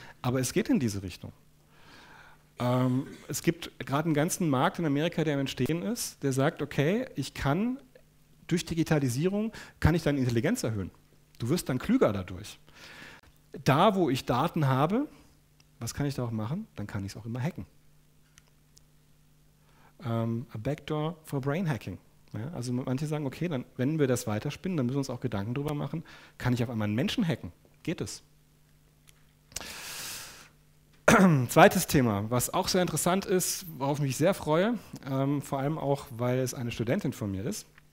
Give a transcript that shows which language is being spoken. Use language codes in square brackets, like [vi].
[de] Aber es geht in diese Richtung. Es gibt gerade einen ganzen Markt in Amerika, der im Entstehen ist, der sagt, okay, ich kann durch Digitalisierung kann ich deine Intelligenz erhöhen. Du wirst dann klüger dadurch. Da, wo ich Daten habe, was kann ich da auch machen? Dann kann ich es auch immer hacken. [en] A backdoor for brain hacking. [de] Ja, also manche sagen, okay, dann, wenn wir das weiterspinnen, dann müssen wir uns auch Gedanken darüber machen, kann ich auf einmal einen Menschen hacken? Geht es? Zweites Thema, was auch sehr interessant ist, worauf ich mich sehr freue, vor allem auch, weil es eine Studentin von mir ist.